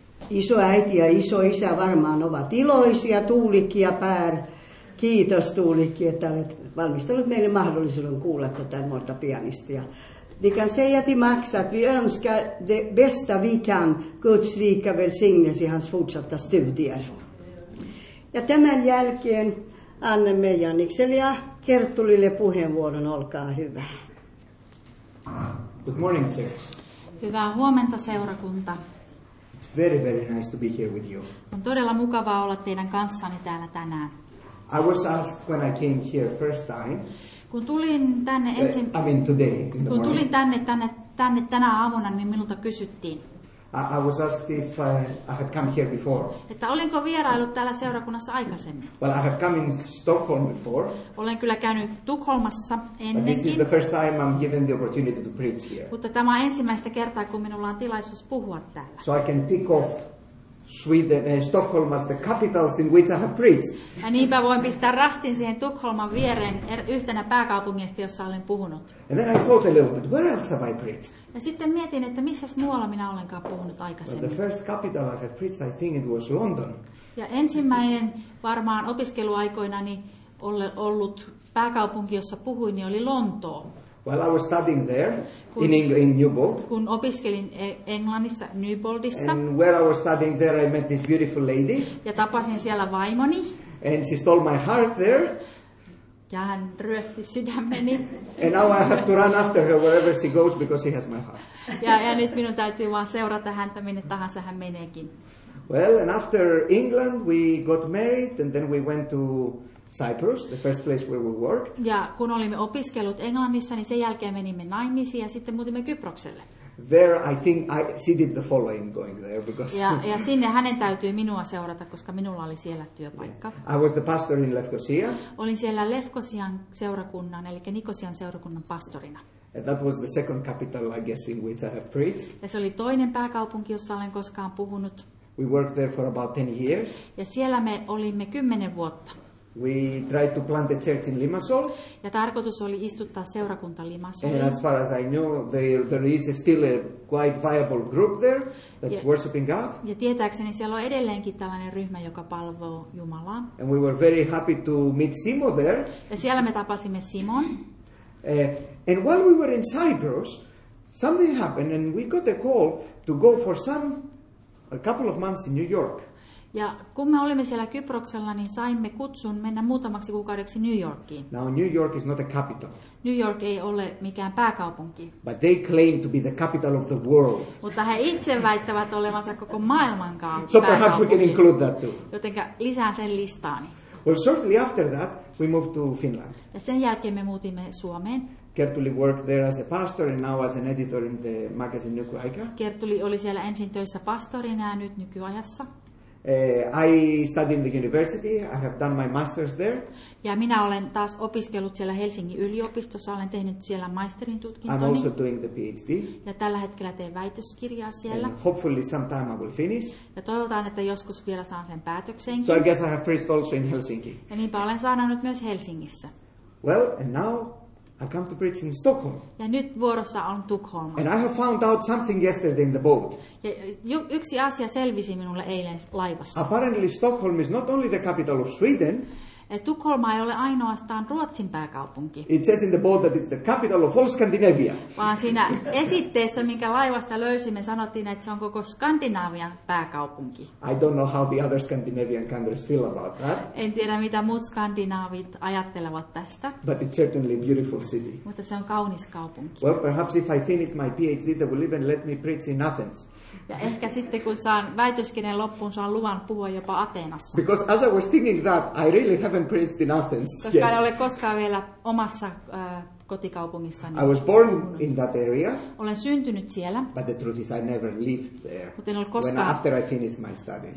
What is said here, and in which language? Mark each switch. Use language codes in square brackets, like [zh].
[fi] Isoäiti ja isoisä varmaan ovat iloisia, Tuulikki ja Pär. Kiitos Tuulikki, että olet valmistellut meille mahdollisuuden kuulla tätä nuorta pianistia. [sv] Vi kan säga till Max att vi önskar det bästa vi kan, Guds rika välsignelse i hans fortsatta studier. [fi] Ja tämän jälkeen annamme Jannikselle ja Kerttulille puheenvuoron, olkaa hyvä. [en] Good morning, sir. [fi] Hyvää huomenta, seurakunta. [en] It's very, very nice to be here with you. [fi] On todella mukavaa olla teidän kanssanne täällä tänään. [en] I was asked when I came here first time. [fi] Kun tulin tänne ensin, [en] I mean today, in the [fi] kun [en] morning. [fi] Tulin tänne tänä aamuna, niin minulta kysyttiin. [en] I was asked if I had come here before. [fi] Että olinko vieraillut täällä seurakunnassa aikaisemmin? [en] Well, I have come in Stockholm before. [fi] Olen kyllä käynyt Tukholmassa ennenkin. [en] But this is the first time I'm given the opportunity to preach here. [fi] Mutta tämä on ensimmäistä kertaa, kun minulla on tilaisuus puhua täällä. [en] So I can tick off Sweden, Stockholm as the capitals in which I have preached. [fi] Ja niinpä voin pistää rastin siihen Tukholman viereen yhtenä pääkaupungista, jossa olen puhunut. [en] And then I thought a little bit, where else have I preached? [fi] Ja sitten mietin, että missä muualla minä olenkaan puhunut aikaisemmin. [en] Well, the first capital I had preached, I think it was London. [fi] Ja ensimmäinen varmaan opiskeluaikoinani ollut pääkaupunki, jossa puhuin, niin oli Lontoo. [en] Well, I was studying there in England, in Newbold. [fi] Kun opiskelin Englannissa Newboldissa. [en] And where I was studying there, I met this beautiful lady. [fi] Ja tapasin siellä vaimoni. [en] And she stole my heart there. [fi] Ja hän ryösti sydämeni. [en] And now I have to run after her wherever she goes because she has my heart. [fi] Ja nyt minun täytyy vaan seurata häntä minne tahansa hän meneekin. [en] Well, and after England we got married and then we went to Cyprus, the first place where we worked. [fi] Ja kun olimme opiskellut Englannissa, niin sen jälkeen menimme naimisiin ja sitten muutimme Kyprokselle. [en] There I think I she did the following going there because [fi] ja sinne hänen täytyy minua seurata, koska minulla oli siellä työpaikka. [en] Yeah. I was the pastor in Lefkosia. [fi] Olin siellä Lefkosian seurakunnan, eli Nikosian seurakunnan pastorina. [en] And that was the second capital, I guess, in which I have preached. [fi] Ja se oli toinen pääkaupunki, jossa olen koskaan puhunut. [en] We worked there for about 10 years. [fi] Ja siellä me olimme 10 vuotta. [en] We tried to plant a church in Limassol. [fi] Ja tarkoitus oli istuttaa seurakunta Limassolin. [en] And as far as I know, there is still a quite viable group there that's worshiping God. [fi] Ja tietääkseni siellä on edelleenkin tällainen ryhmä, joka palvoo Jumalaa. [en] And we were very happy to meet Simo there. [fi] Ja siellä me tapasimme Simon. [en] And while we were in Cyprus, something happened and we got a call to go for a couple of months in New York. [fi] Ja kun me olimme siellä Kyproksella, niin saimme kutsun mennä muutamaksi kuukaudeksi New Yorkiin. [en] Now New York is not a capital. [fi] New York ei ole mikään pääkaupunki. [en] But they claim to be the capital of the world. [fi] Mutta he itse väittävät olevansa koko maailman kaupunki. [en] So perhaps we can include that too. [fi] Jotenka lisään sen listaani. [en] Well, shortly after that, we moved to Finland. [fi] Ja sen jälkeen me muutimme Suomeen. [en] Kertuli worked there as a pastor and now as an editor in the magazine Nykyaika. [fi] Kertuli oli siellä ensin töissä pastorina ja nyt Nykyajassa. [en] I studied in the university. I have done my master's there. [fi] Ja minä olen taas opiskellut siellä Helsingin yliopistossa. Olen tehnyt siellä maisterin tutkintoni. [en] I'm also doing the PhD. [fi] Ja tällä hetkellä teen väitöskirjaa siellä. [en] And hopefully sometime I will finish. [fi] Ja toivotaan, että joskus vielä saan sen päätöksenkin. [en] So I guess I have preached also in Helsinki. [fi] Ja niinpä olen saanut myös Helsingissä. [en] Well, and now I come to preach in Stockholm. [fi] Ja nyt vuorossa on Tukholma. [en] And I have found out something yesterday in the boat. [fi] Ja yksi asia selvisi minulle eilen laivassa. [en] Apparently Stockholm is not only the capital of Sweden. [fi] Tukholma ei ole ainoastaan Ruotsin pääkaupunki. [en] It says in the boat that it's the capital of all Scandinavia. [fi] Vaan siinä esitteessä, minkä laivasta löysimme, sanottiin, että se on koko Skandinavian pääkaupunki. [en] I don't know how the other Scandinavian countries feel about that. [fi] En tiedä, mitä muut skandinaavit ajattelevat tästä. [en] But it's certainly a beautiful city. [fi] Mutta se on kaunis kaupunki. [en] Well, perhaps if I finish my PhD, they will even let me preach in Athens. [fi] Ja ehkä sitten kun saan väitöskirjan loppuun, saan luvan puhua jopa Ateenassa. [en] Because as I was thinking that, I really haven't preached in Athens. [fi] Koska en ole koskaan vielä omassa kotikaupungissani. [en] I was born in that area. [fi] Olen syntynyt siellä. [en] But the truth is, I never lived there. [fi] Mutta en ole koskaan. [en] When after I finished my studies.